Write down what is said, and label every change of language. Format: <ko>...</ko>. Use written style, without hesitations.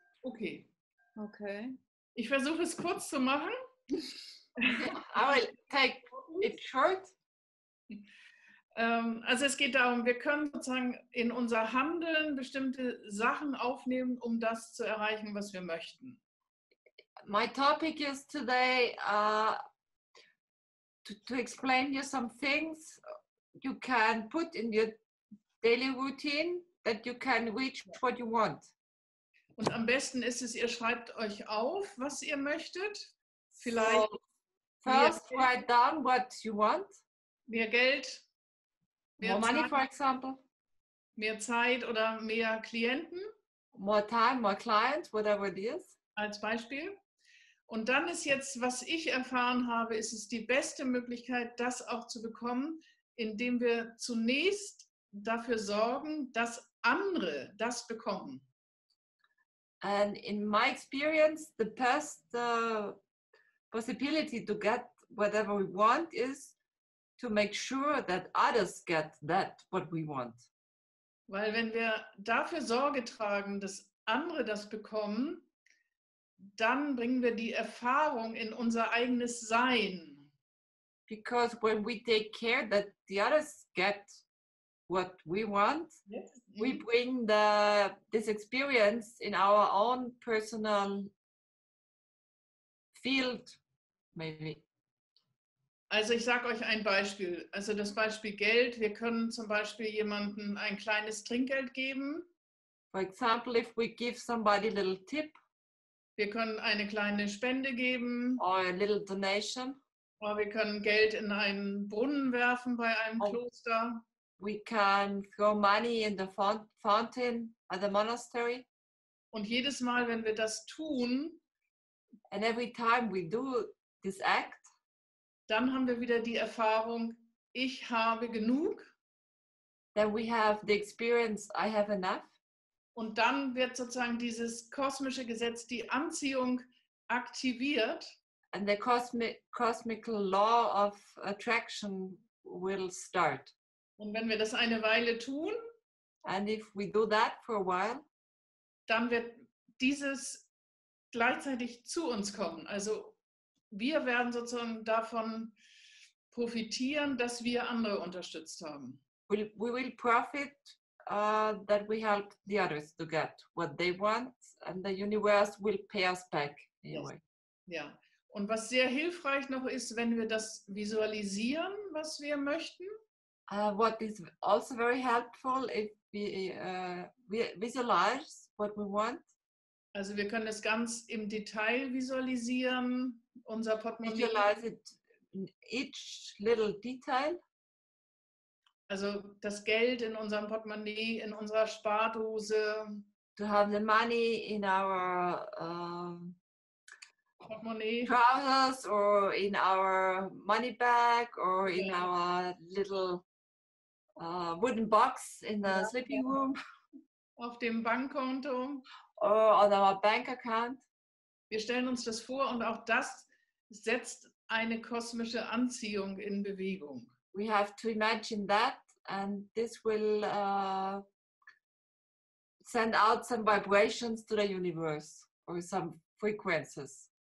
<de>Okay. Ich versuche es kurz zu machen. Aber</de> <en>it's short.</en> <de>Also es geht darum, wir können sozusagen in unser Handeln bestimmte Sachen aufnehmen, um das zu erreichen, was wir möchten.</de> <en>My topic is today to explain you some things you can put in your daily routine that you can reach what you want.</en> <de>Und am besten ist es, ihr schreibt euch auf, was ihr möchtet. Vielleicht so.</de> <en>First, write down what you want.</en> <de>Mehr Geld. Mehr</de> <en>more</en> <de>Zeit,</de> <en>money, for example.</en> <de>Mehr Zeit oder mehr Klienten.</de> <en>More time, more clients, whatever it is.</en> <de>Als Beispiel. Und dann ist jetzt, was ich erfahren habe, ist es die beste Möglichkeit, das auch zu bekommen, indem wir zunächst dafür sorgen, dass andere das bekommen.</de> <en>And in my experience, the best possibility to get whatever we want is to make sure that others get that, what we want.</en> <de>Weil wenn wir dafür Sorge tragen, dass andere das bekommen, dann bringen wir die Erfahrung in unser eigenes Sein.</de> <en>Because when we take care that the others get what we want, yes, we bring this experience in our own personal field, maybe.</en> <de>Also ich sage euch ein Beispiel. Also das Beispiel Geld. Wir können zum Beispiel jemanden ein kleines Trinkgeld geben.</de> <en>For example, if we give somebody a little tip.</en> <de>Wir können eine kleine Spende geben.</de> <en>Or a little donation.</en> <de>Oder wir können Geld in einen Brunnen werfen bei einem Kloster.</de> <en>We can throw money in the fountain at the monastery.</en> <de>Und jedes Mal, wenn wir das tun,</de> <en>and every time we do this act,</en> <de>dann haben wir wieder die Erfahrung, ich habe genug.</de> <en>Then we have the experience, I have enough.</en> <de>Und dann wird sozusagen dieses kosmische Gesetz, die Anziehung, aktiviert.</de> <en>And the cosmic law of attraction will start.</en> <de>Und wenn wir das eine Weile tun,</de> <en>and if we do that for a while,</en> <de>dann wird dieses gleichzeitig zu uns kommen. Also wir werden sozusagen davon profitieren, dass wir andere unterstützt haben.</de> <en>We will profit that we help the others to get what they want, and the universe will pay us back anyway. Yes. Yeah.</en> <de>Und was sehr hilfreich noch ist, wenn wir das visualisieren, was wir möchten.</de> <en>What is also very helpful if we visualize what we want.</en> <de>Also wir können es ganz im Detail visualisieren, unser Portemonnaie.</de> <en>Visualize it in each little detail.</en> <de>Also das Geld in unserem Portemonnaie, in unserer Spardose.</de> <en>To have the money in our Portemonnaie. Trousers or in our money bag or in our little wooden box in the sleeping room.</en> <de>Auf dem Bankkonto.</de> <en>Or on our bank account.</en> <de>Wir stellen uns das vor und auch das setzt eine kosmische Anziehung in Bewegung.</de> <en>We have to imagine that and this will send out some vibrations to the universe or some frequencies.</en>